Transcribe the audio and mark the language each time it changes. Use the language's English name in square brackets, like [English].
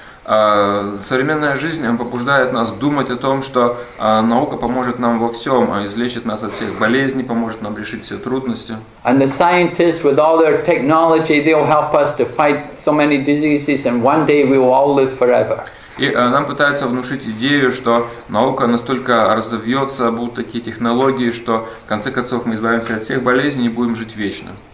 [Russian] Современная жизнь побуждает нас думать о том, что наука поможет нам во всем, излечит нас от всех болезней, поможет нам решить все трудности. [English] And the scientists with all their technology, they'll help us to fight so many diseases and one day we will all live forever. [Russian] И нам пытаются внушить идею, что наука настолько разовьется, будут такие технологии, что в конце концов мы избавимся от всех болезней и будем жить вечно.